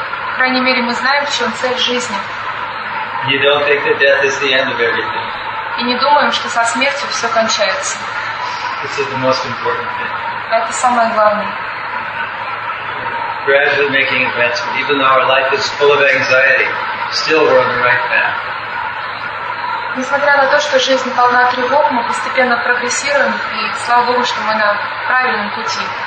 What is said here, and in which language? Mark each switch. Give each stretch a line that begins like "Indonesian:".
Russian: По крайней мере, мы знаем, в чем цель жизни.
English: You don't think that death is the end of everything.
Russian: И не думаем, что со смертью все кончается.
English: This is the most important thing.
Russian: Это самое главное.
English: Gradually making advancement. Even though our life is full of anxiety, still we're on the right path.
Russian: Несмотря на то, что жизнь полна тревог, мы постепенно прогрессируем, и слава Богу, что мы на правильном пути.